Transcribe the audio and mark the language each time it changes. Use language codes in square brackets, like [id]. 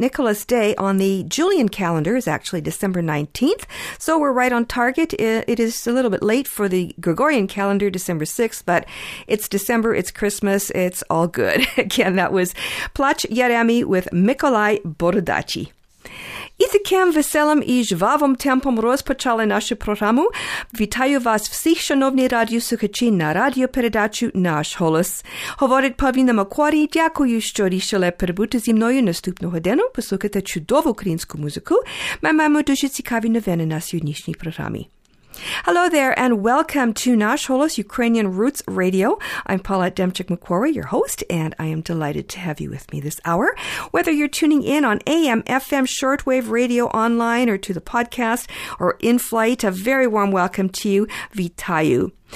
[en] Nicholas Day on the Julian calendar is actually December 19th. So we're right on target. It is a little bit late for the Gregorian calendar, December 6th, but it's December. It's Christmas. It's all good. Again, that was Plach Yeremi with Миколай Бородачі. [uk] І таким веселим і жвавим темпом розпочали нашу програму. Вітаю вас всіх, шановні радіослухачі, на радіопередачу «Наш голос». Говорить Павіна Макуарі, дякую, що рішили перебути зі мною наступну годину, послухати чудову українську музику. Ми маємо дуже цікаві новини на сьогоднішній програмі. [en] Hello there, and welcome to Nash Holos Ukrainian Roots Radio. I'm Paulette Demchik-McQuarrie, your host, and I am delighted to have you with me this hour. Whether you're tuning in on AM, FM, shortwave, radio, online, or to the podcast, or in flight, a very warm welcome to you. Vitayu.